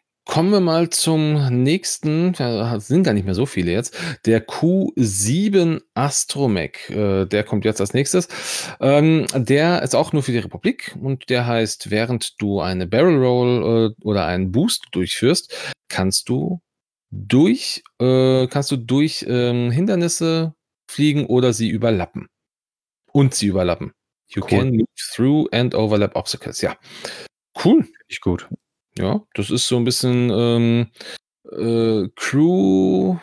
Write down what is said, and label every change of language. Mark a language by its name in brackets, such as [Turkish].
[German] kommen wir mal zum nächsten, sind gar nicht mehr so viele jetzt, der Q7 Astromech, der kommt jetzt als nächstes. Der ist auch nur für die Republik und der heißt, während du eine Barrel Roll oder einen Boost durchführst, kannst du durch Hindernisse fliegen oder sie überlappen. Und sie überlappen. [English] You can move through and overlap obstacles. [German] Ja. Cool. Finde ich gut. Ja, das ist so ein bisschen Crew.